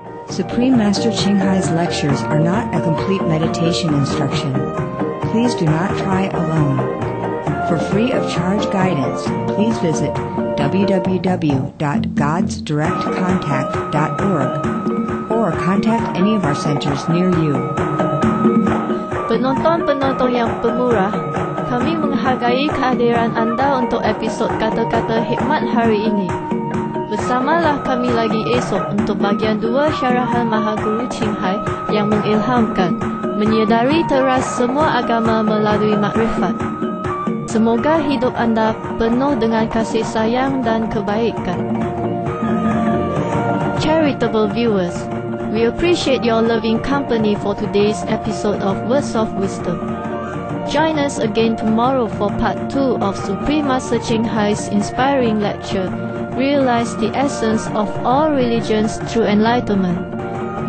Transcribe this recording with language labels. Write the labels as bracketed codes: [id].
[en] Supreme Master Qinghai's lectures are not a complete meditation instruction. Please do not try alone. For free of charge guidance, please visit www.godsdirectcontact.org or contact any of our centers near you. [ms] Penonton-penonton yang pemurah, kami menghargai kehadiran anda untuk episod Kata-Kata Hikmat hari ini. Bersamalah kami lagi esok untuk bagian 2 syarahan Mahaguru Qinghai yang mengilhamkan menyedari teras semua agama melalui makrifat. Semoga hidup anda penuh dengan kasih sayang dan kebaikan. [en] Charitable viewers, we appreciate your loving company for today's episode of Words of Wisdom. Join us again tomorrow for part 2 of Supreme Master Qinghai's inspiring lecture, Realize the Essence of All Religions Through Enlightenment.